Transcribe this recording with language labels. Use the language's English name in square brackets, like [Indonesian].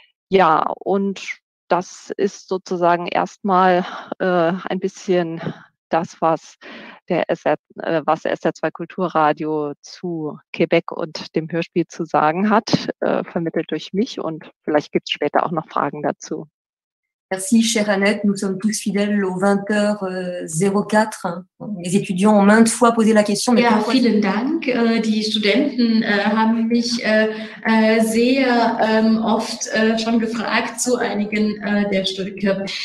[German] Ja, und das ist sozusagen erstmal ein bisschen das, was SR2 Kulturradio zu Quebec und dem Hörspiel zu sagen hat, vermittelt durch mich. Und vielleicht gibt es später auch noch Fragen dazu. [French] Merci, chère Annette. Nous sommes tous fidèles aux 20h04. Les étudiants ont maintes fois posé la question. [German] Ja, vielen Dank. Die Studenten haben mich sehr oft schon gefragt zu einigen der Stücke.